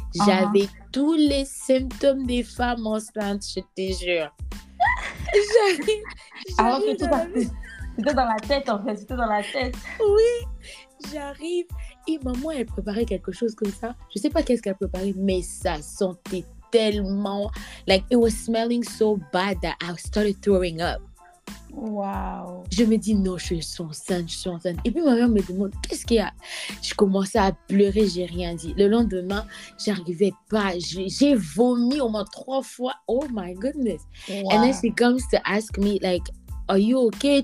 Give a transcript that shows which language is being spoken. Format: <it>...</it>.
<fr>J'avais tous les symptômes des femmes enceintes, je te jure. Alors que c'était dans la tête en fait, c'était dans la tête. Oui, j'arrive. Et maman, elle préparait quelque chose comme ça. Je ne sais pas qu'est-ce qu'elle préparait, mais ça sentait tellement...</fr> <en>Like, it was smelling so bad that I started throwing up. Wow.</en> <fr>Je me dis, non, je suis enceinte. Et puis, ma mère me demande, qu'est-ce qu'il y a? Je commençais à pleurer, je n'ai rien dit. Le lendemain, je n'arrivais pas. J'ai vomi au moins 3 fois.</fr> <en>Oh, my goodness.</en> <fr>Wow.</fr> <en>And then she comes to ask me, like, are you okay?</en>